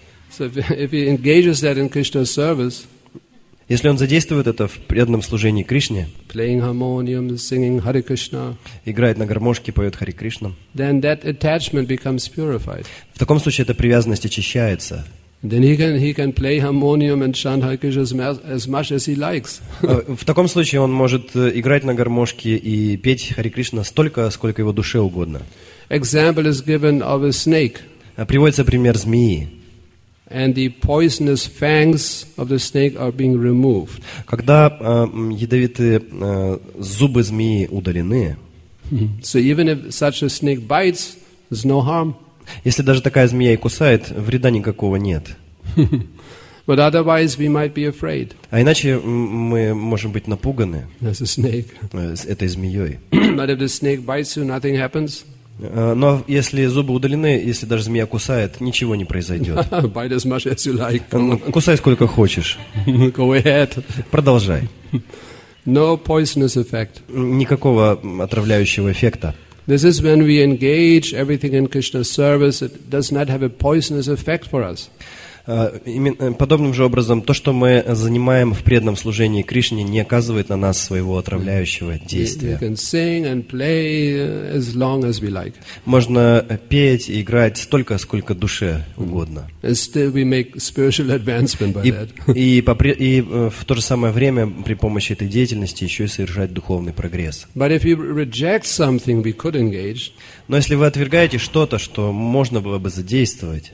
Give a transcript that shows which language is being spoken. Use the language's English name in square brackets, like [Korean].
[English] So if he engages that in Krishna's service. [Russian] Если он задействует это в преданном служении Кришне, [English] playing harmonium, singing Hare Krishna, [Russian] играет на гармошке, поет Харе Кришна, [English] then that attachment becomes purified. [Russian] В таком случае эта привязанность очищается. [English] Then he can play harmonium and chant Hare Krishna as much as he likes. [Russian] В таком случае он может играть на гармошке и петь Харе Кришна столько, сколько его душе угодно. [English] Example is given of a snake. [Russian] Приводится пример змеи. [English] And the poisonous fangs of the snake are being removed. [Russian] Когда ядовитые зубы змеи удалены. [English] So even if such a snake bites, there's no harm. [Russian] Если даже такая змея и кусает, вреда никакого нет. [English] But otherwise we might be afraid. [Russian] А иначе мы можем быть напуганы. [English] As a snake. [Russian] Этой змеей. [English] But if the snake bites you, nothing happens. [Russian] Но если зубы удалены, если даже змея кусает, ничего не произойдет. [English] Bite as much as you like. [Russian] Кусай сколько хочешь. [English] Go ahead. [Russian] Продолжай. [English] No poisonous effect. [Russian] Никакого отравляющего эффекта. [English] This is when we engage everything in Krishna's service. It does not have a poisonous effect for us. [Russian] Подобным же образом, то, что мы занимаем в преданном служении Кришне, не оказывает на нас своего отравляющего действия. [English] We can sing and play as long as we like. [Russian] Можно петь и играть столько, сколько душе угодно. [English] And still we make spiritual advancement by that. [Russian] И в то же самое время при помощи этой деятельности еще и совершать духовный прогресс. [English] But if you reject something, we could engage. [Russian] Но если вы отвергаете что-то, что можно было бы задействовать,